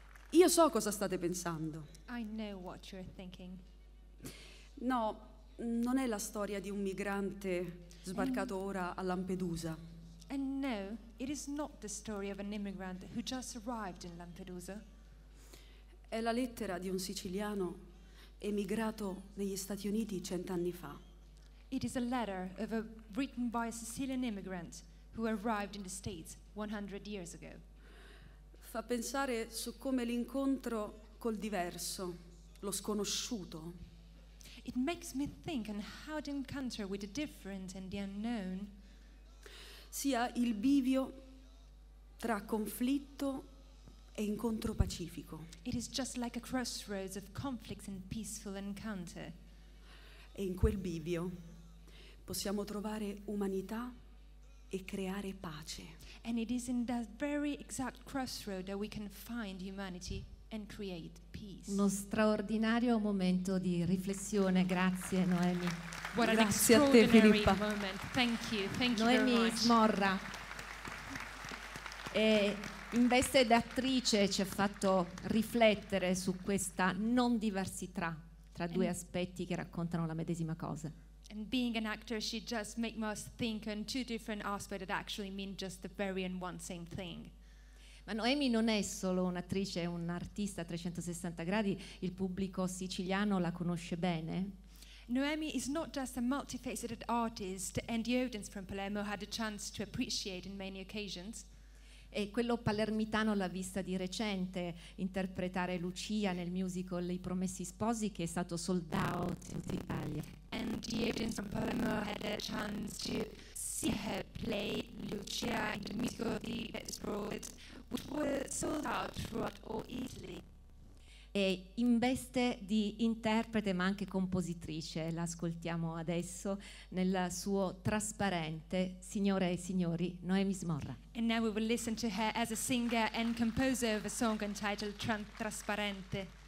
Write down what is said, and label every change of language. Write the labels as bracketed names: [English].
[Italian] Io so cosa state pensando. [English] I know what you're thinking. [Italian] No, non è la storia di un migrante sbarcato ora a Lampedusa. [English] And no, it is not the story of an immigrant who just arrived in Lampedusa. [Italian] È la lettera di un siciliano emigrato negli Stati Uniti 100 anni fa. [English] It is a letter of a written by a Sicilian immigrant who arrived in the States 100 years ago. [Italian] Fa pensare su come l'incontro col diverso lo sconosciuto. [English] It makes me think on how to encounter with the different and the unknown. [Italian] Sia il bivio tra conflitto e incontro pacifico. [English] It is just like a crossroads of conflicts and peaceful encounter. [Italian] E in quel bivio possiamo trovare umanità e creare pace. [English] And it is in that very exact crossroad that we can find humanity and create peace. [Italian] Uno straordinario momento di riflessione, grazie Noemi. [English] What an [Italian] grazie a te Filippa. [English] Moment. Thank you. Thank you Noemi very much. Smorra. [Italian] E in veste d'attrice ci ha fatto riflettere su questa non diversità tra due aspetti che raccontano la medesima cosa. [English] And being an actor, she just made us think on two different aspects that actually mean just the very and one same thing. [Italian] Ma Noemi non è solo un'attrice, è un'artista a 360 gradi, il pubblico siciliano la conosce bene. [English] Noemi is not just a multifaceted artist and the audience from Palermo had a chance to appreciate in many occasions. [Italian] E quello palermitano l'ha vista di recente interpretare Lucia nel musical I Promessi Sposi, che è stato sold out in tutta Italia. [English] And the audience from Palermo had a chance to see her play Lucia in the musical The Best Road, which were sold out throughout all Italy. [Italian] E in veste di interprete ma anche compositrice, la ascoltiamo adesso nel suo trasparente, signore e signori, Noemi Smorra. [English] And now we will listen to her as a singer and composer of a song entitled Trasparente.